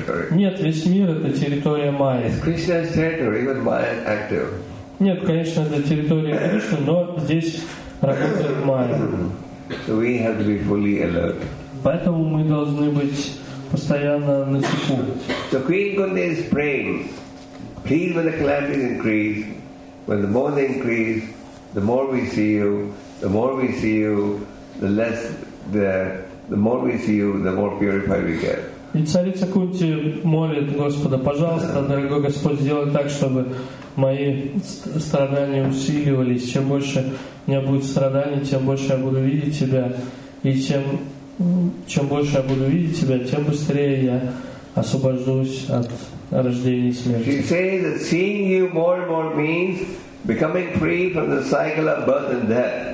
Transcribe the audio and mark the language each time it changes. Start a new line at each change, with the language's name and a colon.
Russian: Нет, весь мир это территория Майи.
English: Krishna's territory, but Maya is active.
Russian: Нет, конечно, это территория Кришны, но здесь работает Майя.
English: So we have to be fully alert.
Russian: Поэтому мы должны быть постоянно на чеку.
English: So Queen Kunti is praying, please, when the calamities increase, when the more they increase, the more we see you, the more we see you, the less the more we see you, the more purified we get.
Russian: И царица Кунти молит Господа, пожалуйста, дорогой Господь, сделай так, чтобы мои страдания усиливались. Чем больше у меня будет страданий, тем больше я буду видеть тебя. И чем больше я буду видеть тебя, тем быстрее я освобождусь от рождения и смерти.
English: She says that seeing you more and more means becoming free from the cycle of birth and death.